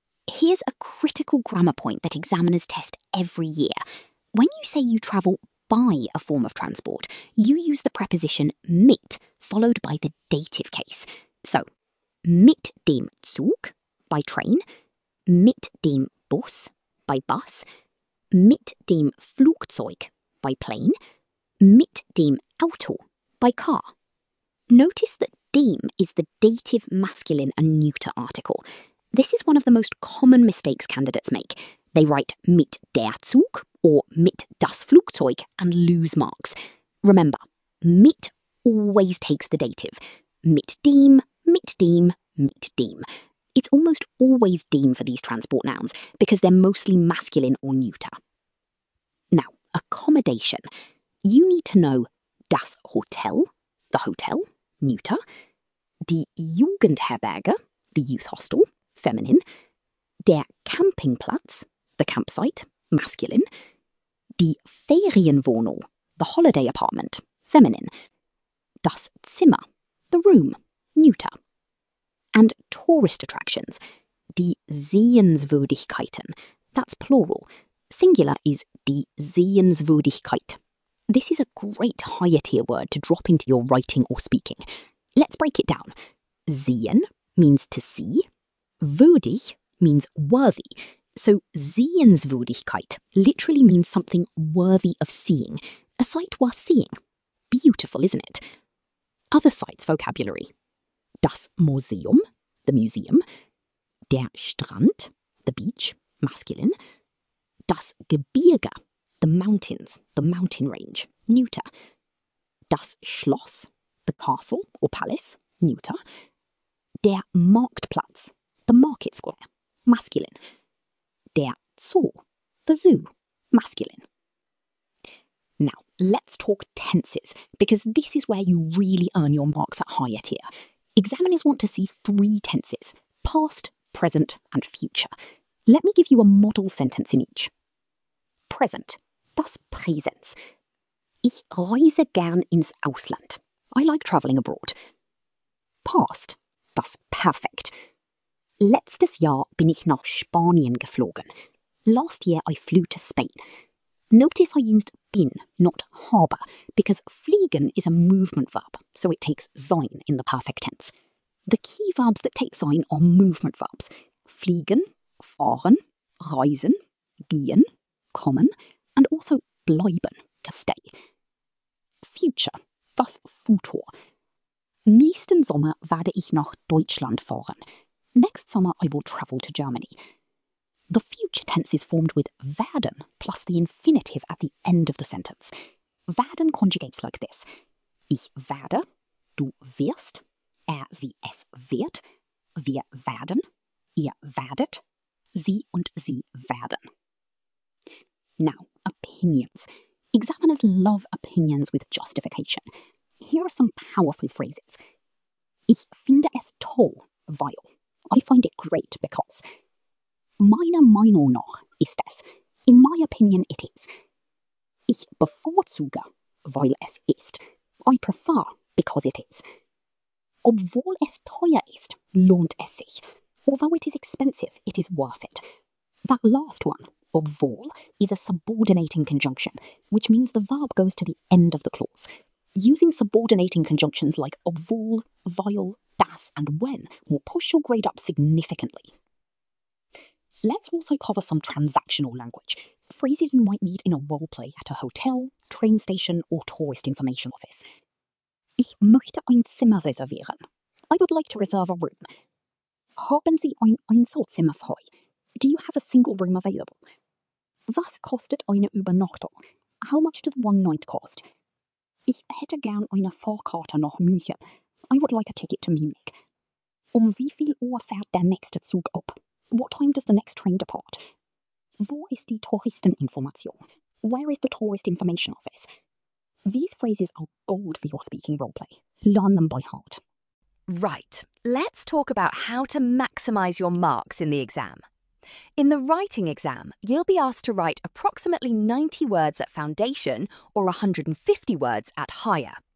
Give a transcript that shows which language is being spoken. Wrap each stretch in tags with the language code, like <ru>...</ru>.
<en>Here's a critical grammar point that examiners test every year. When you say you travel by a form of transport, you use the preposition mit, followed by the dative case.</en> <de>So, mit dem Zug,</de> <en>by train,</en> <de>mit dem Bus,</de> <en>by bus,</en> <de>mit dem Flugzeug,</de> <en>by plane,</en> <de>mit dem Auto,</de> <en>by car. Notice that dem is the dative masculine and neuter article. This is one of the most common mistakes candidates make. They write</en> <de>mit der Zug</de> <en>or</en> <de>mit das Flugzeug</de> <en>and lose marks. Remember, mit always takes the dative.</en> <de>Mit dem, mit dem, mit dem.</de> <en>It's almost always dem for these transport nouns because they're mostly masculine or neuter. Now, accommodation. You need to know das Hotel, the hotel, neuter, die Jugendherberge, the youth hostel, feminine, der Campingplatz, the campsite, masculine, die Ferienwohnung, the holiday apartment, feminine, das Zimmer, the room, neuter. And tourist attractions, die Sehenswürdigkeiten, that's plural. Singular is die Sehenswürdigkeit. This is a great higher tier word to drop into your writing or speaking. Let's break it down. Sehen means to see. Würdig means worthy. So Sehenswürdigkeit literally means something worthy of seeing. A sight worth seeing. Beautiful, isn't it? Other sites vocabulary. Das Museum, the museum, der Strand, the beach, masculine, das Gebirge, the mountains, the mountain range, neuter, das Schloss, the castle or palace, neuter, der Marktplatz, the market square, masculine, der Zoo, the zoo, masculine. Now, let's talk tenses, because this is where you really earn your marks at higher tier. Examiners want to see three tenses: past, present, and future. Let me give you a model sentence in each. Present, das Präsens.</en> <de>Ich reise gern ins Ausland.</de> <en>I like travelling abroad. Past, das Perfekt.</en> <de>Letztes Jahr bin ich nach Spanien geflogen.</de> <en>Last year I flew to Spain. Notice I used bin, not habe, because fliegen is a movement verb, so it takes sein in the perfect tense. The key verbs that take sein are movement verbs.</en> <de>Fliegen, fahren, reisen, gehen, kommen,</de> <en>and also</en> <de>bleiben,</de> <en>to stay. Future, das Futur.</en> <de>Nächsten Sommer werde ich nach Deutschland fahren.</de> <en>Next summer I will travel to Germany. The future tense is formed with werden plus the infinitive at the end of the sentence. Werden conjugates like this.</en> <de>Ich werde, du wirst, sie, es wird, wir werden, ihr werdet, sie und sie werden.</de> <en>Now, opinions. Examiners love opinions with justification. Here are some powerful phrases.</en> <de>Ich finde es toll, weil.</de> <en>I find it great because.</en> <de>Meiner Meinung nach ist es.</de> <en>In my opinion, it is.</en> <de>Ich bevorzuge, weil es ist.</de> <en>I prefer, because it is.</en> <de>Obwohl es teuer ist, lohnt es sich.</de> <en>Although it is expensive, it is worth it. That last one, obwohl, is a subordinating conjunction, which means the verb goes to the end of the clause. Using subordinating conjunctions like obwohl, weil, das, and when will push your grade up significantly. Let's also cover some transactional language, phrases you might meet in a role play at a hotel, train station, or tourist information office.</en> <de>Ich möchte ein Zimmer reservieren.</de> <en>I would like to reserve a room.</en> <de>Haben Sie ein Einzelzimmer frei?</de> <en>Do you have a single room available?</en> <de>Was kostet eine Übernachtung?</de> <en>How much does one night cost?</en> <de>Ich hätte gern eine Fahrkarte nach München.</de> <en>I would like a ticket to Munich.</en> <de>Wie viel Uhr fährt der nächste Zug ab?</de> <en>What time does the next train depart?</en> <de>Wo ist die Touristeninformation?</de> <en>Where is the tourist information office? These phrases are gold for your speaking roleplay. Learn them by heart. Right, let's talk about how to maximise your marks in the exam. In the writing exam, you'll be asked to write approximately 90 words at foundation or 150 words at higher.</en>